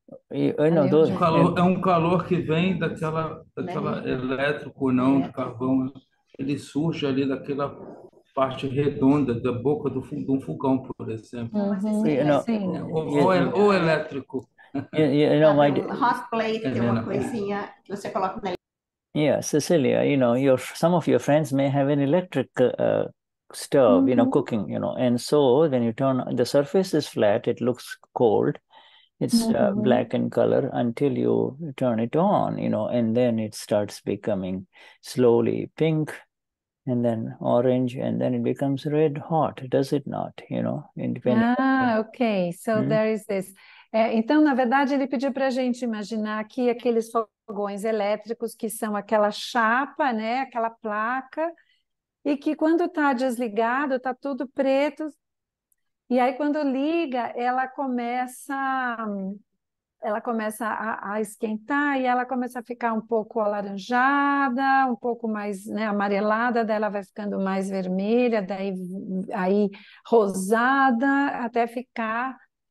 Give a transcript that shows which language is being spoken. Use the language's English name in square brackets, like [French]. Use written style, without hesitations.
[Portuguese] É um calor que vem daquela elétrico, não, de carvão. Ele surge ali daquela parte redonda da boca de um fogão, por exemplo. Uhum. Sim, ou elétrico. [English] You know, my hot plate, [Portuguese] tem uma coisinha que você coloca na. [English] Yeah, Cecilia, you know, some of your friends may have an electric stove, mm-hmm. you know, cooking, you know, and so when you turn, the surface is flat, it looks cold, it's mm-hmm. Black in color until you turn it on, you know, and then it starts becoming slowly pink and then orange and then it becomes red hot, does it not, you know, independent. Okay, so there is this. [Portuguese] Então, na verdade, ele pediu para a gente imaginar aqui aqueles fogões elétricos que são aquela chapa, né, aquela placa, e que quando está desligado, está tudo preto, e aí quando liga, ela começa a esquentar e ela começa a ficar um pouco alaranjada, um pouco mais, né, amarelada, daí ela vai ficando mais vermelha, daí aí rosada, até ficar...